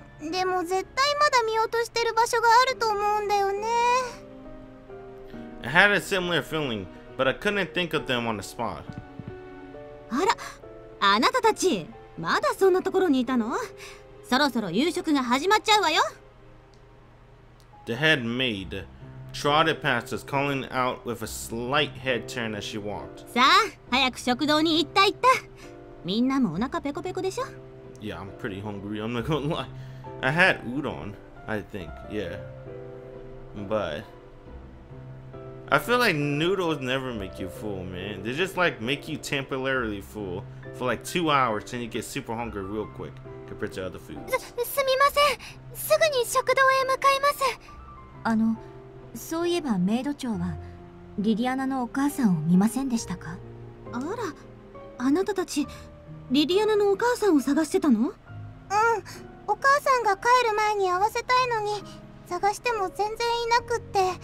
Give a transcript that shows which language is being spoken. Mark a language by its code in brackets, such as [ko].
[ja] でも絶対まだ見落としてる場所があると思うんだよね。 [en] I had a similar feeling, but I couldn't think of them on the spot. [ja] あら、あなたたち、まだそんなところにいたの？そろそろ夕食が始まっちゃうわよ。 [en] The head maid trotted past us, calling out with a slight head turn as she walked. [ja] さあ、早く食堂に行った行った。みんなもお腹ペコペコでしょ？ [en] Yeah, I'm pretty hungry, I'm not gonna lie. I had udon, I think, yeah. But... I feel like noodles never make you full, man. They just like make you temporarily full for like 2 hours and you get super hungry real quick compared to other foods. [ja] すみません。すぐに食堂へ向かいます。あの、そういえばメイド長はリリアナのお母さんを見ませんでしたか？あら、あなたたちリリアナのお母さんを探してたの？うん。お母さんが帰る前に会わせたいのに、探しても全然いなくって。